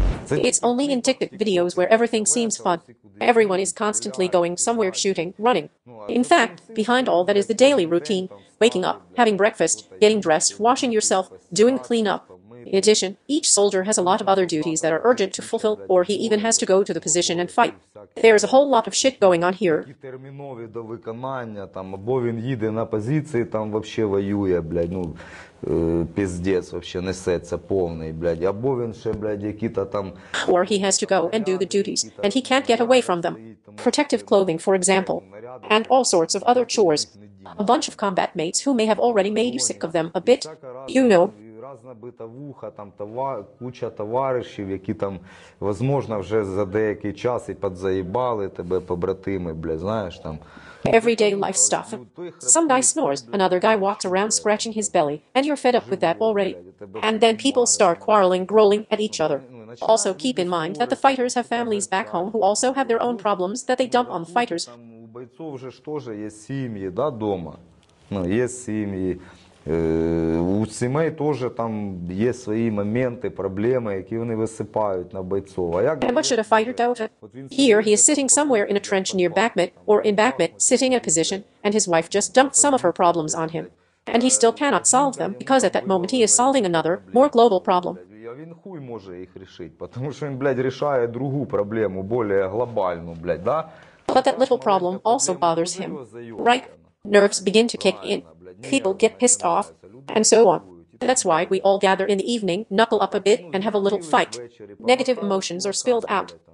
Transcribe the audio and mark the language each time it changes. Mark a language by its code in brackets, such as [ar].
[en] It's only in TikTok videos where everything seems fun. Everyone is constantly going somewhere, shooting, running. In fact, behind all that is the daily routine: waking up, having breakfast, getting dressed, washing yourself, doing cleanup. In addition, each soldier has a lot of other duties that are urgent to fulfill, or he even has to go to the position and fight. There's a whole lot of shit going on here. [uk] Термінові до виконання там, або він їде на позиції, там вообще воює, блядь, ну, піздець вообще несеться повний, блядь, або він ще, блядь, які-то там. [en] Or he has to go and do the duties, and he can't get away from them. Protective clothing, for example, and all sorts of other chores. A bunch of combat mates who may have already made you sick of them a bit, you know. [ru] Показана бытовуха, там товар, куча товарищей, [uk] які там, [ru] возможно, уже [uk] за деякий час [ru] и подзаебали тебе побратимы, блядь, знаешь, там. [en] Everyday life stuff. Some guy snores, another guy walks around scratching his belly, and you're fed up with that already. And then people start quarreling, growling at each other. Also, keep in mind that the fighters have families back home who also have their own problems that they dump on the fighters. [ru] У бойцов же тоже есть семьи, да, дома? Ну, есть семьи. [uk] У сімей теж там є свої моменти, проблеми, які вони висипають на бойцов. А як [en] much should a fighter do? Here he is sitting somewhere in a trench near Bakhmut, or in Bakhmut, sitting in a position, and his wife just dumped some of her problems on him. And he still cannot solve them, because at that moment he is solving another, more global problem. [uk] А він хуй може їх рішити, тому що він, блядь, рішає другу проблему, більш глобальну, блядь, да? [en] But that little problem also bothers him, right? Nerves begin to kick in. People get pissed off, and so on. That's why we all gather in the evening, knuckle up a bit, and have a little fight. Negative emotions are spilled out.